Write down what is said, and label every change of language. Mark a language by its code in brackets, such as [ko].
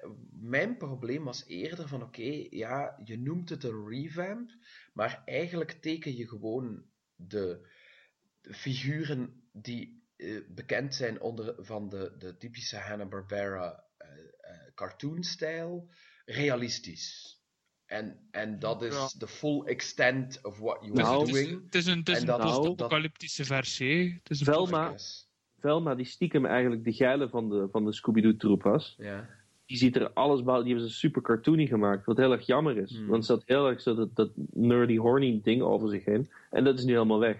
[nl] mijn probleem was eerder van... Oké, je noemt het een revamp. Maar eigenlijk teken je gewoon de figuren die bekend zijn van de typische Hanna-Barbera cartoonstijl. Realistisch. En dat is [en] the full extent of what you are doing. [nl] Het is een post-apocalyptische versie. Het is Velma, die stiekem eigenlijk de geile van de Scooby-Doo-troep was, die ziet er alles bij, die hebben ze super cartoony gemaakt, wat heel erg jammer is. Hmm. Want ze had heel erg zo dat nerdy, horny ding over zich heen. En dat is nu helemaal weg.